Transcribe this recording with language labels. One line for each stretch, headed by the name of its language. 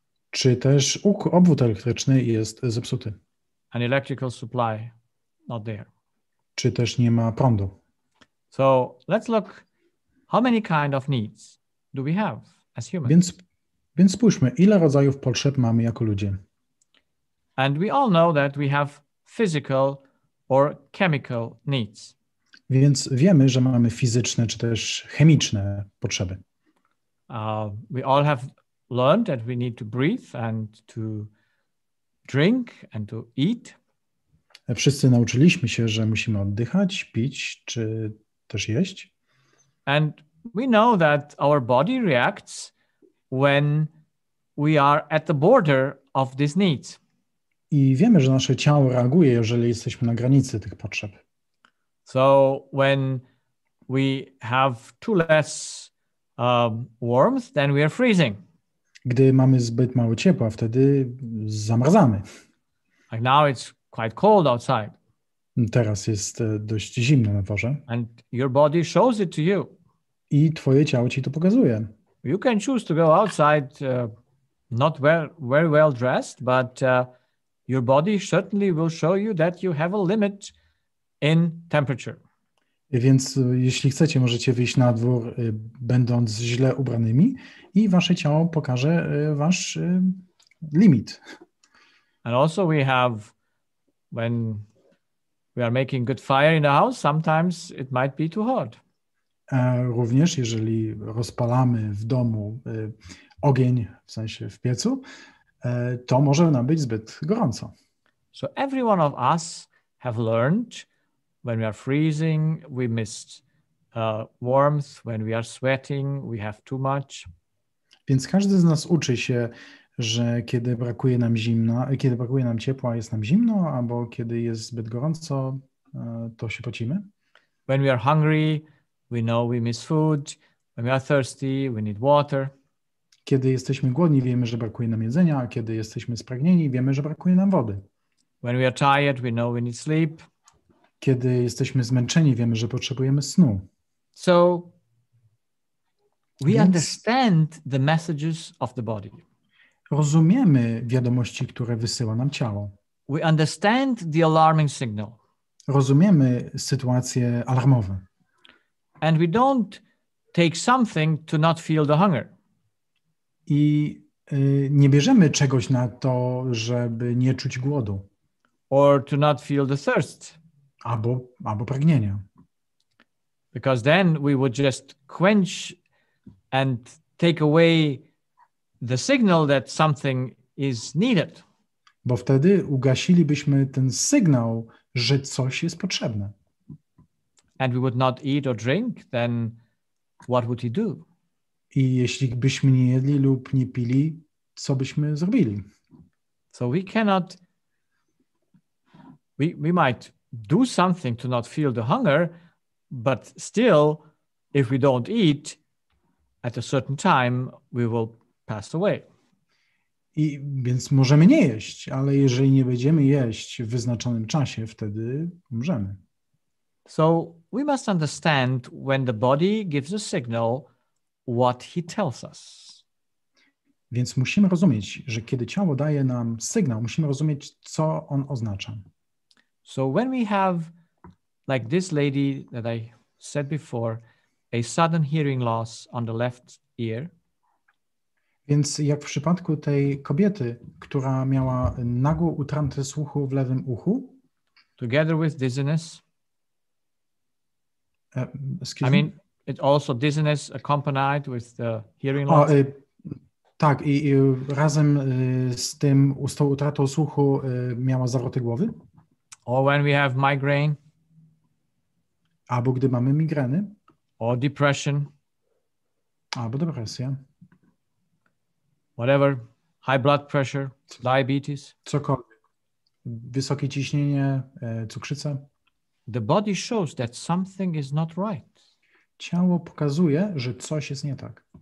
Polish: Czy też obwód elektryczny jest zepsuty?
English: An electrical supply not there.
Polish: Czy też nie ma prądu?
English: So let's look how many kind of needs do we have as humans.
Polish: Więc spójrzmy, ile rodzajów potrzeb mamy jako ludzie.
English: And we all know that we have physical or chemical needs.
Polish: Więc wiemy, że mamy fizyczne czy też chemiczne potrzeby.
English: We all have learned that we need to breathe and to drink and to eat.
Polish: Wszyscy nauczyliśmy się, że musimy oddychać, pić czy też jeść.
English: And we know that our body reacts when we are at the border of these needs.
Polish: I wiemy, że nasze ciało reaguje, jeżeli jesteśmy na granicy tych potrzeb.
English: So when we have too less warmth, then we are freezing.
Polish: Gdy mamy zbyt mało ciepła, wtedy zamarzamy.
English: Like now it's quite cold outside.
Polish: Teraz jest dość zimno na dworze.
English: And your body shows it to you.
Polish: I twoje ciało ci to pokazuje.
English: You can choose to go outside not well, very well dressed, but your body certainly will show you that you have a limit in temperature.
Polish: Więc jeśli chcecie, możecie wyjść na dwór, będąc źle ubranymi, i wasze ciało pokaże wasz limit.
English: And also we have, when we are making good fire in the house, sometimes it might be too hot.
Polish: Również jeżeli rozpalamy w domu ogień, w sensie w piecu, to może nam być zbyt gorąco.
English: So every one of us have learned when we are freezing, we miss warmth. When we are sweating, we have too much.
Polish: Więc każdy z nas uczy się, że kiedy brakuje nam zimna, kiedy brakuje nam ciepła, jest nam zimno, albo kiedy jest zbyt gorąco, to się pocimy.
English: When we are hungry, we know we miss food. When we are thirsty, we need water.
Polish: Kiedy jesteśmy głodni, wiemy, że brakuje nam jedzenia, a kiedy jesteśmy spragnieni, wiemy, że brakuje nam wody.
English: When we are tired, we know we need sleep.
Polish: Kiedy jesteśmy zmęczeni, wiemy, że potrzebujemy snu.
English: So We understand the messages of the body.
Polish: Rozumiemy wiadomości, które wysyła nam ciało.
English: We understand the alarming signal.
Polish: Rozumiemy sytuacje alarmowe.
English: And we don't take something to not feel the hunger.
Polish: I nie bierzemy czegoś na to, żeby nie czuć głodu.
English: Or to not feel the thirst.
Polish: Albo pragnienia.
English: Because then we would just quench and take away the signal that something is needed.
Polish: Bo wtedy ugasilibyśmy ten sygnał, że coś jest potrzebne.
English: And we would not eat or drink, then what would he do?
Polish: I jeśli byśmy nie jedli lub nie pili, co byśmy zrobili?
English: So we cannot, we might do something to not feel the hunger, but still, if we don't eat, at a certain time, we will pass away.
Polish: I więc możemy nie jeść, ale jeżeli nie będziemy jeść w wyznaczonym czasie, wtedy umrzemy.
English: So we must understand when the body gives a signal what he tells us.
Polish: Więc musimy rozumieć, że kiedy ciało daje nam sygnał, musimy rozumieć, co on oznacza.
English: So when we have, like this lady that I said before, a sudden hearing loss on the left ear.
Polish: Więc jak w przypadku tej kobiety, która miała nagłą utratę słuchu w lewym uchu.
English: Together with dizziness. Excuse me? I mean, it also dizziness accompanied with the hearing loss.
Polish: Tak, i razem z tym, z tą utratą słuchu miała zawroty głowy.
English: Or when we have migraine.
Polish: Albo gdy mamy migreny.
English: Or depression.
Polish: Albo depresja.
English: Whatever, high blood pressure, diabetes.
Polish: Cokolwiek. Wysokie ciśnienie, cukrzyca.
English: The body shows that something is not right.
Polish: Ciało pokazuje, że coś jest nie tak.